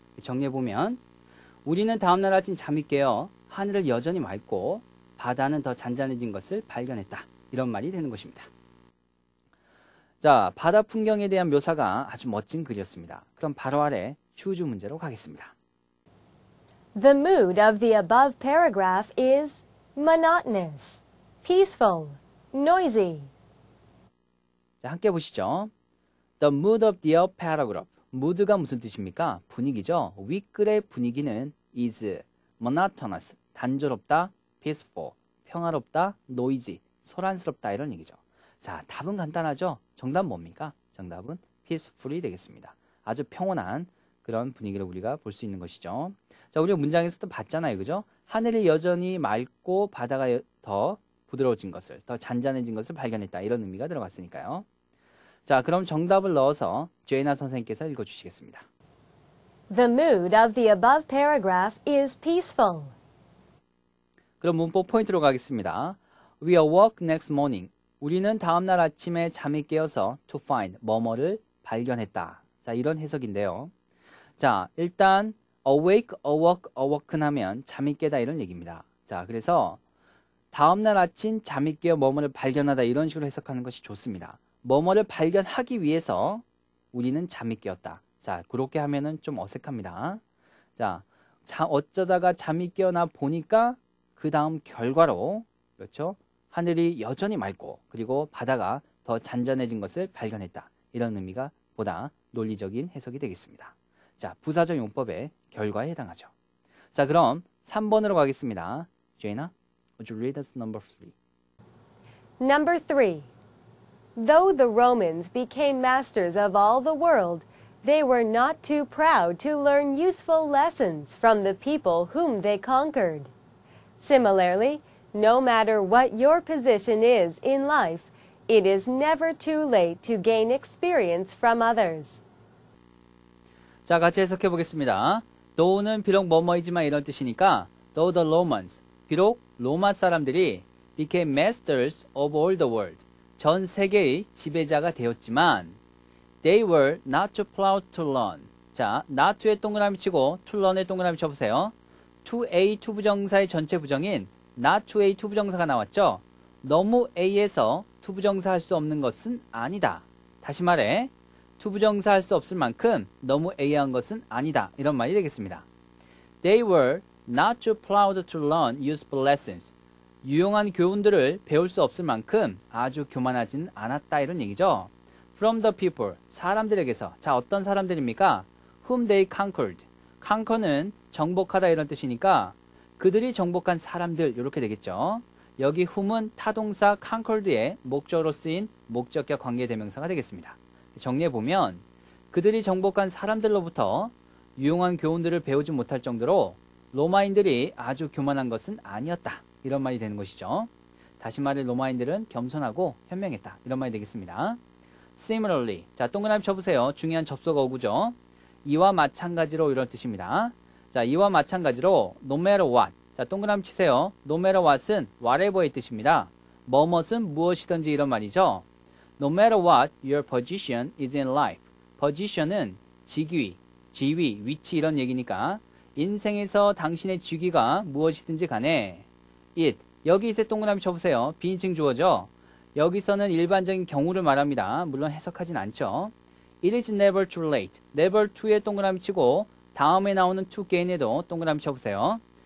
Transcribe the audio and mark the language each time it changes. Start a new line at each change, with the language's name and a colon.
Korean: 정리해보면 우리는 다음날 아침 잠이 깨어 하늘을 여전히 맑고 바다는 더 잔잔해진 것을 발견했다. 이런 말이 되는 것입니다. 자, 바다 풍경에 대한 묘사가 아주 멋진 글이었습니다. 그럼 바로 아래 주주 문제로 가겠습니다.
English: The mood of the above paragraph is monotonous, peaceful, noisy.
Korean: 자, 함께 보시죠.
English: The mood of the above paragraph.
Korean: mood가 무슨 뜻입니까? 분위기죠. 윗글의 분위기는
English: is monotonous,
Korean: 단조롭다, peaceful, 평화롭다, noisy, 소란스럽다 이런 얘기죠. 자, 답은 간단하죠? 정답 뭡니까? 정답은 peaceful이 되겠습니다. 아주 평온한 그런 분위기를 우리가 볼 수 있는 것이죠. 자, 우리 문장에서도 봤잖아요. 그죠? 하늘이 여전히 맑고 바다가 더 부드러워진 것을, 더 잔잔해진 것을 발견했다. 이런 의미가 들어갔으니까요. 자, 그럼 정답을 넣어서 제이나 선생님께서 읽어주시겠습니다.
English: The mood of the above paragraph is peaceful.
Korean: 그럼 문법 포인트로 가겠습니다.
English: We awoke next morning.
Korean: 우리는 다음날 아침에 잠이 깨어서
English: to find,
Korean: 뭐뭐를 발견했다. 자, 이런 해석인데요. 자, 일단
English: awake, awoke, awoken
Korean: 하면 잠이 깨다 이런 얘기입니다. 자, 그래서 다음 날 아침 잠이 깨어 뭐뭐를 발견하다 이런 식으로 해석하는 것이 좋습니다. 뭐뭐를 발견하기 위해서 우리는 잠이 깨었다. 자, 그렇게 하면은 좀 어색합니다. 자, 어쩌다가 잠이 깨어나 보니까 그 다음 결과로, 그렇죠? 하늘이 여전히 맑고 그리고 바다가 더 잔잔해진 것을 발견했다. 이런 의미가 보다 논리적인 해석이 되겠습니다. 자, 부사적 용법의 결과에 해당하죠. 자, 그럼 3번으로 가겠습니다.
English: 제이나, would you read us number 3? Number 3. Though the Romans became masters of all the world, they were not too proud to learn useful lessons from the people whom they conquered. Similarly, no matter what your position is in life, it is never too late to gain experience from others.
Korean: 자, 같이 해석해 보겠습니다.
English: Though는
Korean: 비록 뭐뭐이지만 이런 뜻이니까
English: Though the Romans,
Korean: 비록 로마 사람들이
English: became masters of all the world,
Korean: 전 세계의 지배자가 되었지만
English: They were not too proud to learn.
Korean: 자, not to의 동그라미 치고 to learn의 동그라미 쳐보세요. to a, to 부정사의 전체 부정인 not to a, to 부정사가 나왔죠. 너무 a에서 to 부정사 할 수 없는 것은 아니다. 다시 말해, to 부정사 할 수 없을 만큼 너무 a한 것은 아니다. 이런 말이 되겠습니다.
English: They were not too proud to learn useful lessons.
Korean: 유용한 교훈들을 배울 수 없을 만큼 아주 교만하진 않았다. 이런 얘기죠.
English: From the people,
Korean: 사람들에게서. 자, 어떤 사람들입니까?
English: Whom they conquered.
Korean: Conquer는 정복하다 이런 뜻이니까 그들이 정복한 사람들 이렇게 되겠죠. 여기 whom은 타동사 conquered의 목적으로 쓰인 목적격 관계대명사가 되겠습니다. 정리해 보면 그들이 정복한 사람들로부터 유용한 교훈들을 배우지 못할 정도로 로마인들이 아주 교만한 것은 아니었다. 이런 말이 되는 것이죠. 다시 말해 로마인들은 겸손하고 현명했다. 이런 말이 되겠습니다. Similarly, 자, 동그라미 쳐보세요. 중요한 접속어 어구죠. 이와 마찬가지로 이런 뜻입니다. 자, 이와 마찬가지로
English: no matter what,
Korean: 자, 동그라미 치세요. no matter what은 whatever의 뜻입니다. 뭐뭇은 무엇이든지 이런 말이죠.
English: no matter what your position is in life.
Korean: position은 직위, 지위, 위치 이런 얘기니까 인생에서 당신의 직위가 무엇이든지 간에 it, 여기 이제 동그라미 쳐보세요. 비인칭 주어죠. 여기서는 일반적인 경우를 말합니다. 물론 해석하진 않죠.
English: It is never too late.
Korean: Never to에 동그라미 치고 다음에 나오는 to gain에도 동그라미 쳐보세요.